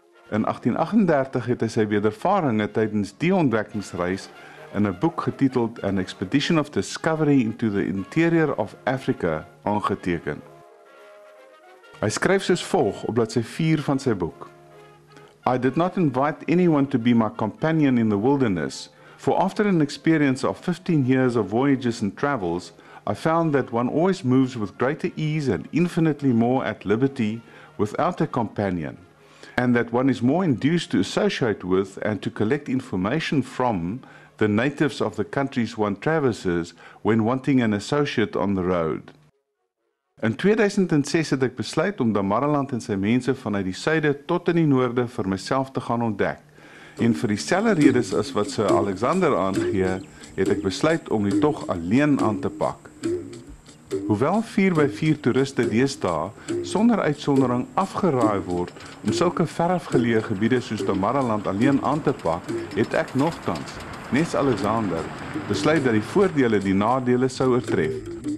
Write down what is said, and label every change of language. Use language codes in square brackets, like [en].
[af] In 1838 het hy sy wedervaringe tydens die ontdekkingsreis in 'n boek getiteld An Expedition of Discovery into the Interior of Africa aangeteken. Hy skryf soos volg op bladsy 4 van sy boek. [en] I did not invite anyone to be my companion in the wilderness, for after an experience of 15 years of voyages and travels, I found that one always moves with greater ease and infinitely more at liberty without a companion, and that one is more induced to associate with and to collect information from the natives of the countries one traverses when wanting an associate on the road. [af] In 2006 het ek besluit om Damaraland en sy mense vanuit die suide tot in die noorde vir myself te gaan ontdek. En vir dieselfde redes as wat Sir Alexander aangee, het ek besluit om die tog alleen aan te pak. Hoewel 4x4 toeriste deesdae sonder uitsondering afgeraai word om sulke verafgeleë gebiede soos Damaraland alleen aan te pak, het ek nogtans, net soos Alexander, besluit dat die voordele die nadele sou oortref.